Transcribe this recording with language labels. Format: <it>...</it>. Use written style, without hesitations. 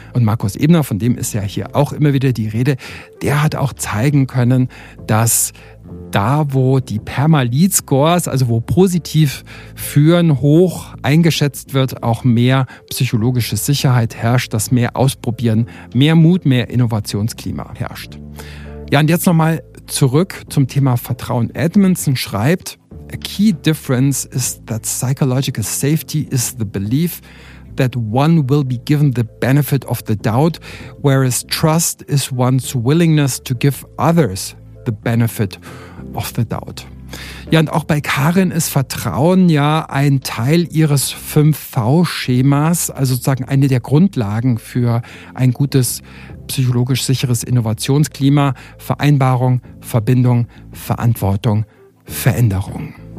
<de>Und Markus Ebner, von dem ist ja hier auch immer wieder die Rede, der hat auch zeigen können, dass da, wo die Perma-Lead-Scores, also wo positiv führen, hoch eingeschätzt wird, auch mehr psychologische Sicherheit herrscht, dass mehr Ausprobieren, mehr Mut, mehr Innovationsklima herrscht. Ja, und jetzt nochmal zurück zum Thema Vertrauen. Edmondson schreibt,</de> <en>a key difference is that psychological safety is the belief that one will be given the benefit of the doubt, whereas trust is one's willingness to give others the benefit of the doubt.</en> <de>Ja, und auch bei Karin ist Vertrauen ja ein Teil ihres 5V-Schemas, also sozusagen eine der Grundlagen für ein gutes, psychologisch sicheres Innovationsklima. Vereinbarung, Verbindung, Verantwortung, Veränderung.</de>